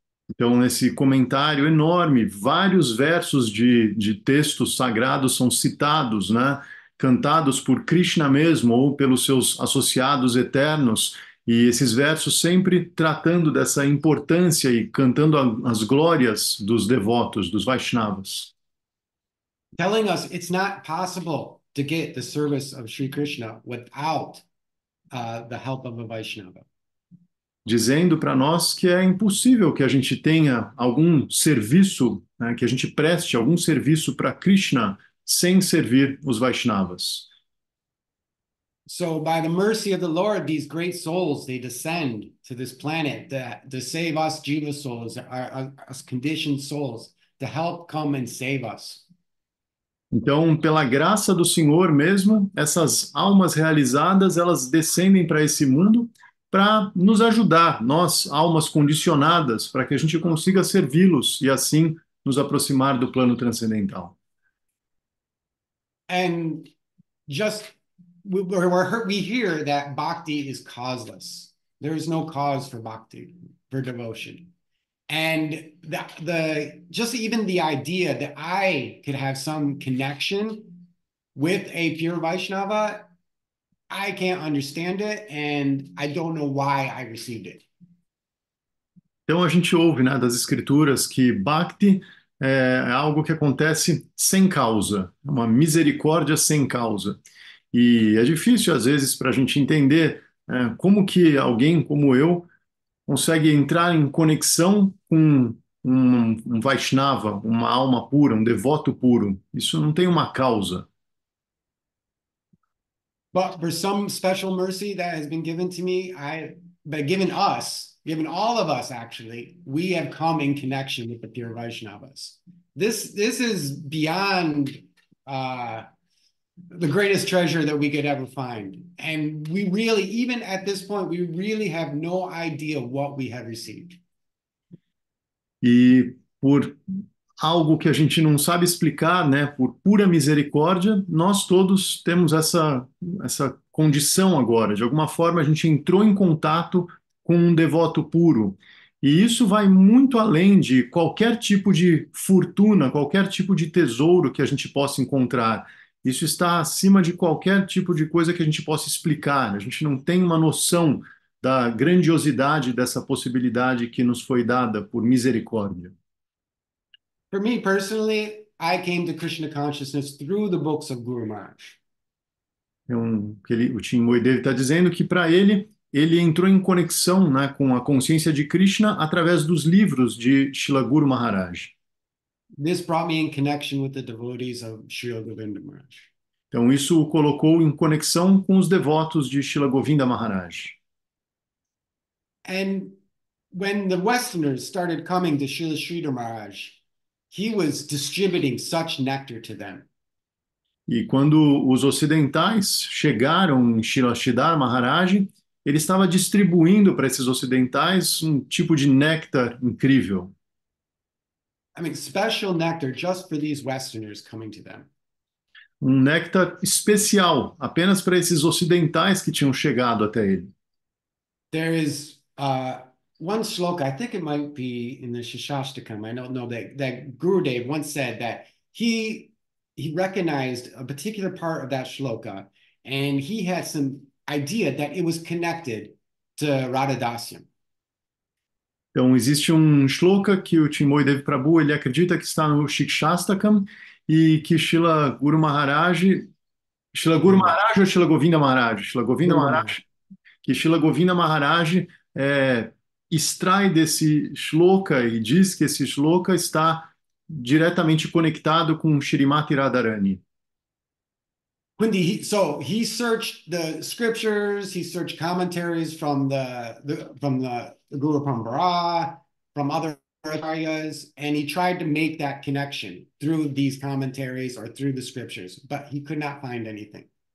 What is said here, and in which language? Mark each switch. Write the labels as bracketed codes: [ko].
[pt] Então, nesse comentário enorme, vários versos de textos sagrados são citados, né? Cantados por Krishna mesmo ou pelos seus associados eternos, e esses versos sempre tratando dessa importância e cantando as glórias dos devotos, dos Vaishnavas. [en] Telling us it's not possible to get the service of Sri Krishna without the help of a Vaishnava. [pt] Dizendo para nós que é impossível que a gente tenha algum serviço, né, que a gente preste algum serviço para Krishna sem servir os Vaishnavas. [en] So, by the mercy of the Lord, these great souls, they descend to this planet to save us jiva souls, us conditioned souls, to help come and save us. [pt] Então, pela graça do Senhor mesmo, essas almas realizadas, elas descendem para esse mundo para nos ajudar, nós, almas condicionadas, para que a gente consiga servi-los e assim nos aproximar do plano transcendental. [en] And just we hear that bhakti is causeless. There is no cause for bhakti, for devotion. And the just even the idea that I could have some connection with a pure Vaishnava, I can't understand it, and I don't know why I received it. [pt] Então a gente ouve, né, das escrituras que bhakti é algo que acontece sem causa, uma misericórdia sem causa. E é difícil às vezes para a gente entender como que alguém como eu consegue entrar em conexão com um Vaishnava, uma alma pura, um devoto puro. Isso não tem uma causa. [en] But for some special mercy that has been given to me, given all of us actually, we have come in connection with the pure Vaishnavas. This is beyond the greatest treasure that we could ever find. And we really, even at this point, we really have no idea what we have received. [pt] E por algo que a gente não sabe explicar, né, por pura misericórdia, nós todos temos essa condição agora. De alguma forma, a gente entrou em contato com um devoto puro. E isso vai muito além de qualquer tipo de fortuna, qualquer tipo de tesouro que a gente possa encontrar. Isso está acima de qualquer tipo de coisa que a gente possa explicar. A gente não tem uma noção da grandiosidade dessa possibilidade que nos foi dada por misericórdia. [en] For me personally, I came to Krishna consciousness through the books of Guru Maharaj. [pt] O Chinmoy Dev está dizendo que para ele, ele entrou em conexão, né, com a consciência de Krishna através dos livros de Srila Guru Maharaj. [en] This brought me in connection with the devotees of Srila Govinda Maharaj. [pt] Então isso o colocou em conexão com os devotos de Srila Govinda Maharaj. [en] And when the Westerners started coming to Srila Sridhar Maharaj, he was distributing such nectar to them. [pt] E quando os ocidentais chegaram em Srila Sridhar Maharaj, ele estava distribuindo para esses ocidentais um tipo de néctar incrível. [en] I mean, special nectar just for these Westerners coming to them. [pt] Um néctar especial, apenas para esses ocidentais que tinham chegado até ele. [en] There is one shloka, I think it might be in the Shishastakam, I don't know, that Gurudev once said that he recognized a particular part of that shloka, and he had some idea that it was connected to Radha Dasyam. [pt] Então, existe um shloka que o Chinmoy Dev Prabhu, ele acredita que está no Shishastakam, e que Srila Govinda Maharaj extrai desse shloka e diz que esse shloka está diretamente conectado com Shrimati Radharani. [it] Quindi, [en] so he searched the scriptures, he searched commentaries from the Guru Parampara, from other areas, and he tried to make that connection through these commentaries or through the scriptures, but he could not find anything.